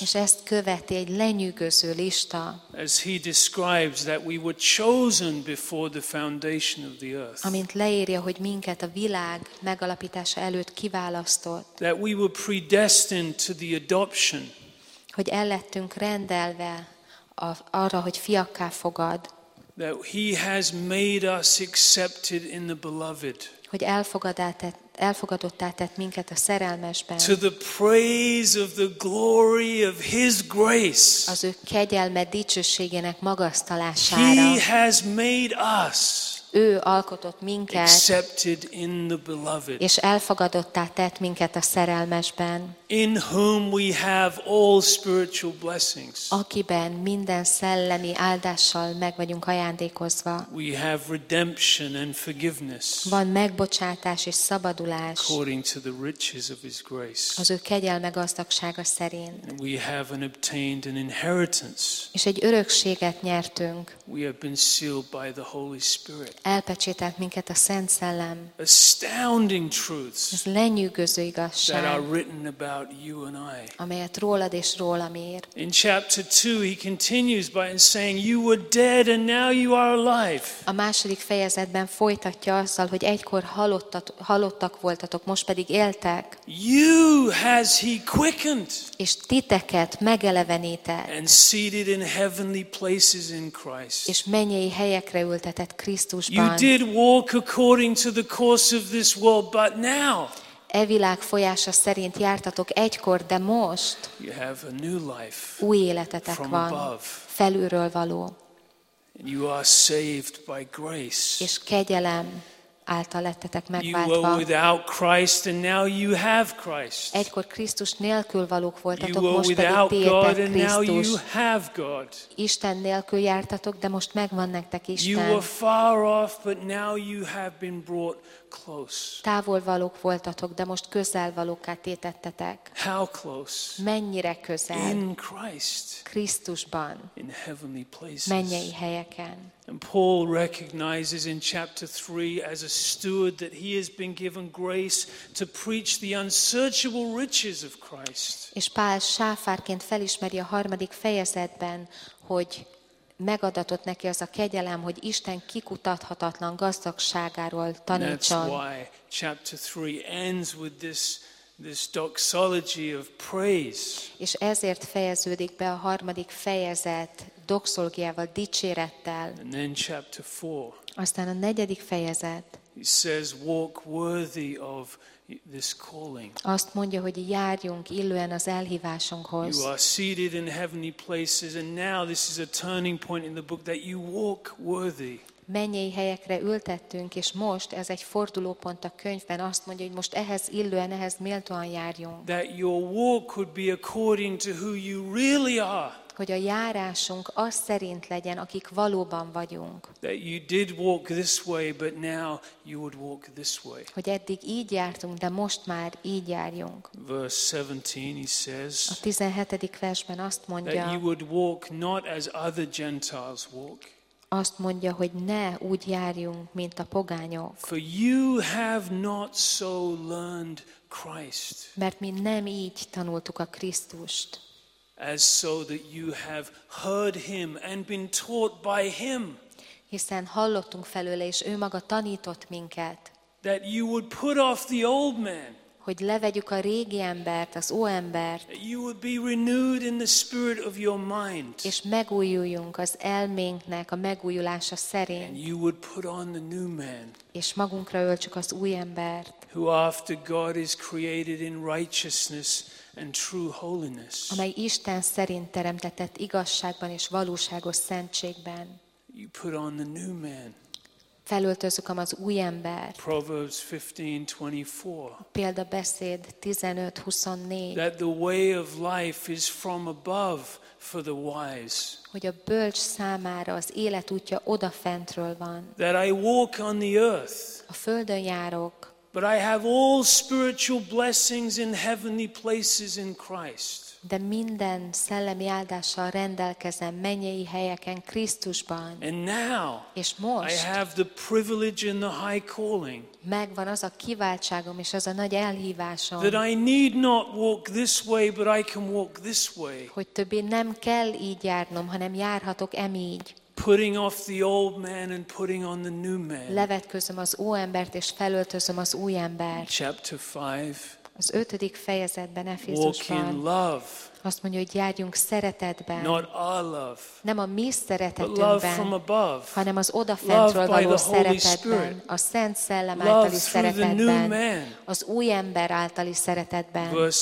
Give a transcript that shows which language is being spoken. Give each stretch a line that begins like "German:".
Hungarian: És ezt követi egy lenyűgöző lista.
English: As he describes that we were chosen before the foundation of the earth.
Hungarian: Amint leírja, hogy minket a világ megalapítása előtt kiválasztott.
English: That we were predestined to the adoption.
Hungarian: Hogy ellettünk rendelve arra, hogy fiakká fogad.
English: That he has made us accepted in the beloved.
Hungarian: hogy elfogadottá tett minket a szerelmesben.
English: To the praise of the glory of his grace.
Hungarian: Az ő kegyelme dicsőségének magasztalására.
English: He has made us.
Hungarian: Ő alkotott minket.
English: Accepted in the beloved.
Hungarian: És elfogadottá tett minket a szerelmesben.
English: In whom we have all spiritual blessings.
Hungarian: Akiben minden szellemi áldással meg vagyunk ajándékozva.
English: We have redemption and forgiveness.
Hungarian: Van megbocsátás és szabadulás.
English: According to the riches of his grace.
Hungarian: Az ő kegyelme gazdagsága szerint.
English: And we have an obtained an inheritance.
Hungarian: És egy örökséget nyertünk.
English: We have been sealed by the Holy Spirit.
Hungarian: Elpecsételt minket a Szent Szellem.
English: Astounding truths.
Hungarian: Ez lenyűgöző igazság.
English: That are written about you and I.
Hungarian: Amelyet rólad és rólam ír.
English: In chapter 2 he continues by saying you were dead and now you are alive.
Hungarian: A második fejezetben folytatja azzal, hogy egykor halottak voltatok, most pedig éltek.
English: You has he quickened.
Hungarian: És titeket megelevenített.
English: And seated in heavenly places in Christ.
Hungarian: És mennyei helyekre ültetett Krisztus.
English: You did walk according to the course of this world, but now.
Hungarian: E világ folyása szerint jártatok egykor, de most.
English: You have a new life.
Hungarian: Új életetek van. Felülről való.
English: You are saved by grace.
Hungarian: És kegyelem által lettetek megváltva.
English: You were without Christ and now you have Christ.
Hungarian: Egykor Krisztus nélkül valók voltatok, most pedig tiétek Krisztus.
English: Now you have God.
Hungarian: Isten nélkül jártatok, de most megvan nektek Isten.
English: You were far off, but now you have been brought close.
Hungarian: Távol valók voltatok, de most közel valókká tétettetek.
English: How close?
Hungarian: Mennyire közel?
English: In Christ.
Hungarian: Krisztusban.
English: In heavenly places.
Hungarian: Mennyei helyeken.
English: And Paul recognizes in chapter 3 as a steward that he has been given grace to preach the unsearchable riches of Christ.
Hungarian: És Pál sáfárként felismeri a harmadik fejezetben, hogy megadatott neki az a kegyelem, hogy Isten kikutathatatlan gazdagságáról tanítson.
English: That's why chapter 3 ends with this doxology of praise.
Hungarian: És ezért fejeződik be a harmadik fejezet doxológiával, dicsérettel.
English: And then chapter 4.
Hungarian: Aztán a negyedik fejezet.
English: He says, walk worthy of this calling.
Hungarian: Azt mondja, hogy járjunk illően az elhívásunkhoz.
English: You are seated in heavenly places, and now this is a turning point in the book that you walk worthy.
Hungarian: Mennyei helyekre ültettünk, és most ez egy fordulópont a könyvben, azt mondja, hogy most ehhez illően, ehhez méltóan járjunk.
English: That your walk could be according to who you really are.
Hungarian: Hogy a járásunk az szerint legyen, akik valóban vagyunk.
English: That you did walk this way, but now you would walk this way.
Hungarian: Hogy eddig így jártunk, de most már így járjunk.
English: Verse 17 he says.
Hungarian: A 17. versben azt mondja.
English: That you would walk not as other Gentiles walk.
Hungarian: Azt mondja, hogy ne úgy járjunk, mint a pogányok.
English: For you have not so learned Christ.
Hungarian: Mert mi nem így tanultuk a Krisztust.
English: As so that you have heard him and been taught by him.
Hungarian: Hiszen hallottunk felőle, és ő maga tanított minket.
English: That you would put off the old man.
Hungarian: Hogy levegyük a régi embert, az óembert.
English: You would be renewed in the spirit of your mind.
Hungarian: És megújuljunk az elménknek a megújulása szerint.
English: And you would put on the new man.
Hungarian: És magunkra öltsük az új embert.
English: Who after God is created in righteousness and true holiness.
Hungarian: Amely Isten szerint teremtetett igazságban és valóságos szentségben.
English: You put on the new man.
Hungarian: Felöltözök az új embert.
English: Proverbs 15:24.
Hungarian: Példabeszéd 15:24.
English: That the way of life is from above for the wise.
Hungarian: Hogy a bölcs számára az életútja odafentről van.
English: That I walk on the earth.
Hungarian: A földön járok.
English: But I have all spiritual blessings in heavenly places in Christ.
Hungarian: De minden szellemi áldással rendelkezem mennyei helyeken Krisztusban.
English: And now,
Hungarian: és most,
English: I have the privilege and the high calling.
Hungarian: Megvan az a kiváltságom és az a nagy elhívásom.
English: That I need not walk this way, but I can walk this way.
Hungarian: Hogy többé nem kell így járnom, hanem járhatok emígy.
English: Putting off the old man and putting on the new man.
Hungarian: Levetkőzöm az óembert és felöltözöm az új embert.
English: Chapter 5.
Hungarian: Az ötödik fejezetben Efézusban.
English: Walk in love.
Hungarian: Azt mondja, hogy járjunk szeretetben.
English: Not our love,
Hungarian: nem a mi szeretetünkben,
English: but love from above,
Hungarian: hanem az odafentről való szeretetben, a Szent Szellem általi szeretetben, az új ember általi szeretetben.